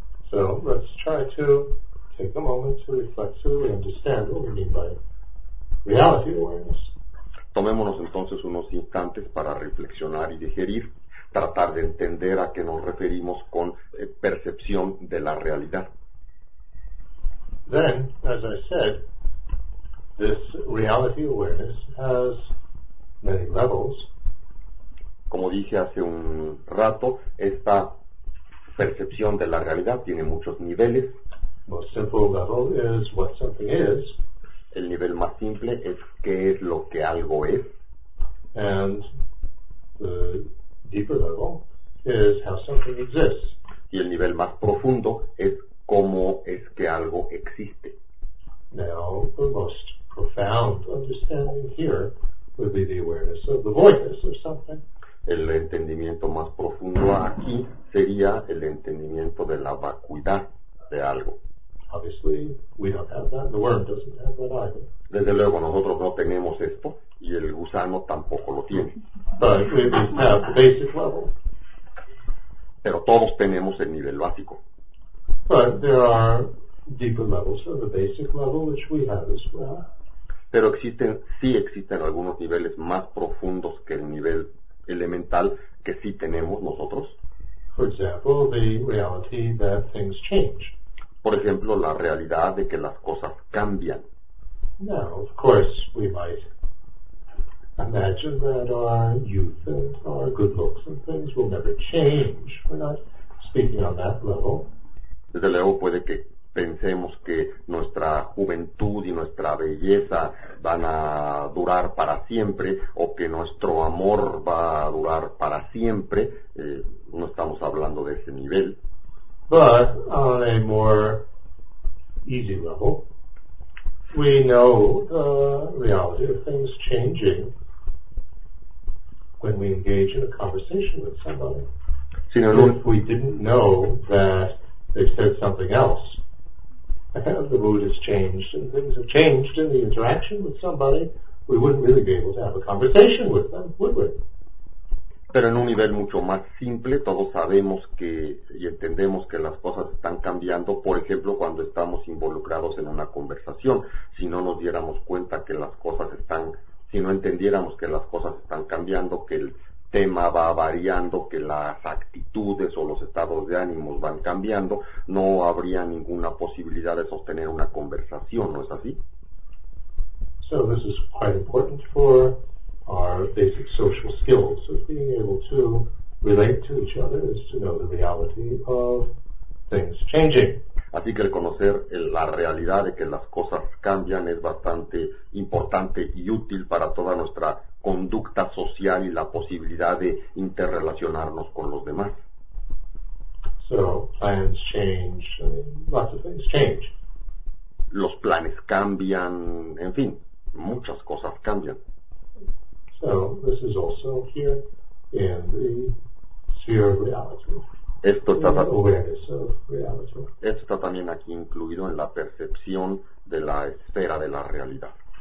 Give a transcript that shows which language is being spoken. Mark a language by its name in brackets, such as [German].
[English] So, let's try to take a moment to reflect so we understand what we mean by reality awareness. [Spanish] Tomémonos entonces unos instantes para reflexionar y digerir, tratar de entender a qué nos referimos con percepción de la realidad. [English] Then, as I said, this reality awareness has many levels. [Spanish] Como dije hace un rato, esta percepción de la realidad tiene muchos niveles. [English] Most simple level is what something is. [Spanish] El nivel más simple es qué es lo que algo es. [English] And the deeper level is how something exists. [Spanish] Y el nivel más profundo es cómo es que algo existe. [English] Now, the most profound understanding here would be the awareness of the voidness of something. [Spanish] El entendimiento más profundo aquí sería el entendimiento de la vacuidad de algo. [English] Obviously, we don't have that. The worm doesn't have that either. [Spanish] Desde luego, nosotros no tenemos esto, y el gusano tampoco lo tiene. [English] But we have the basic level. [Spanish] Pero todos tenemos el nivel básico. [English] But there are deeper levels of the basic level, which we have as well. [Spanish] Pero existen, sí existen algunos niveles más profundos que el nivel elemental que sí tenemos nosotros. [English] For example, the reality that things change. [Spanish] Por ejemplo, la realidad de que las cosas cambian. [English] Now, of course, we might imagine that our youth and our good looks and things will never change. We're not speaking on that level. [Spanish] Desde luego puede que pensemos que nuestra juventud y nuestra belleza van a durar para siempre, o que nuestro amor va a durar para siempre. No estamos hablando de ese nivel. [English] But on a more easy level, we know the reality of things changing when we engage in a conversation with somebody. [Spanish] Sí, no, [English] if we didn't know that they said something else, the mood has changed and things have changed in the interaction with somebody, we wouldn't really be able to have a conversation with them, would we? [Spanish] Pero en un nivel mucho más simple, todos sabemos que y entendemos que las cosas están cambiando, por ejemplo, cuando estamos involucrados en una conversación. Si no nos diéramos cuenta que las cosas están, si no entendiéramos que las cosas están cambiando, que el tema va variando, que las actitudes o los estados de ánimos van cambiando, no habría ninguna posibilidad de sostener una conversación, ¿no es así? [English] So this is quite important for our basic social skills of being able to relate to each other, is to know the reality of things changing. [Spanish] Así que el conocer la realidad de que las cosas cambian es bastante importante y útil para toda nuestra conducta social y la posibilidad de interrelacionarnos con los demás. [English] So plans change, lots of things change. [Spanish] Los planes cambian, en fin, muchas cosas cambian. [English] So this is also here in the sphere of reality. [Spanish] Esto está [English] awareness of reality. [Spanish] Esto está también aquí incluido en la percepción de la esfera de la realidad.